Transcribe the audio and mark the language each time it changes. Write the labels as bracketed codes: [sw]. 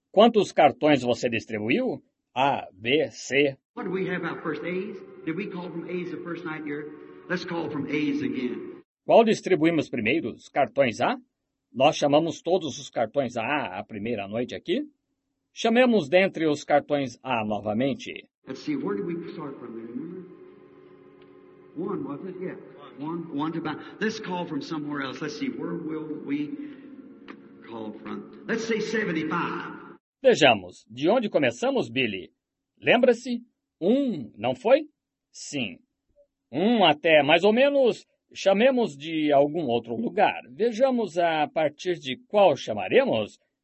[pt] Quantos cartões você distribuiu? A, B, C. [en] What do we have our first A's? Did we call from A's the first night here? Let's call from A's again. [pt] Qual distribuímos primeiro? Os cartões A? Nós chamamos todos os cartões A a primeira noite aqui? Chamemos dentre os cartões A novamente. [en] Let's see, where did we start from there? Remember? One, wasn't it? Yeah. One to buy. Let's call from somewhere else. Let's see, where will we call from? Let's say 75. [pt] Vejamos, de onde começamos, Billy? Lembra-se? Não foi? Sim. Até mais ou menos, chamemos de algum outro lugar. Vejamos a partir de qual chamaremos.